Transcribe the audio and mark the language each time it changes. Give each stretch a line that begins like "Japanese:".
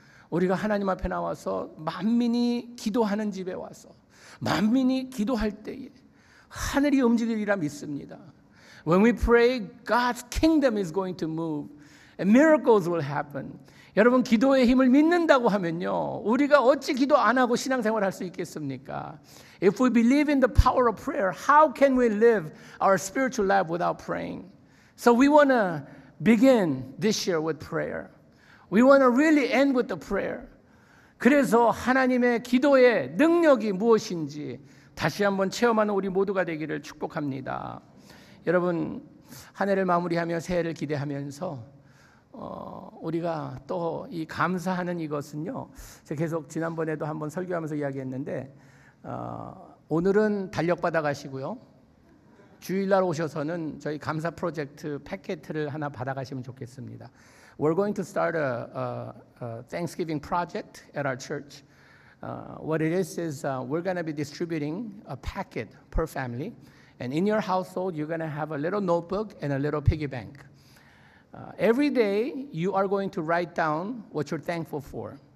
Korean: 우리가 하나님 앞에 나와서 만민이 기도하는 집에 와서 만민이 기도할 때에 하늘이 움직이리라 믿습니다.
English: When we pray, God's kingdom is going to move and miracles will happen.
Korean: 여러분, 기도의 힘을 믿는다고 하면요, 우리가 어찌 기도 안 하고 신앙생활 할 수 있겠습니까?
English: If we believe in the power of prayer, how can we live our spiritual life without praying? So we want to begin this year with prayer. We want to really end with the prayer.
Korean: 그래서 하나님의 기도의 능력이 무엇인지 다시 한번 체험하는 우리 모두가 되기를 축복합니다. 여러분, 한 해를 마무리하며 새해를 기대하면서 우리가 또 이 감사하는 이것은요, 제가 계속 지난번에도 한번 설교하면서 이야기했는데, 오늘은 달력 받아가시고요, 주일날 오셔서는 저희 감사 프로젝트 패키지를 하나 받아가시면 좋겠습니다.
English: We're going to start a Thanksgiving project at our church. What it is we're going to be distributing a packet per family. And in your household, you're going to have a little notebook and a little piggy bank. Every day, you are going to write down what you're thankful for.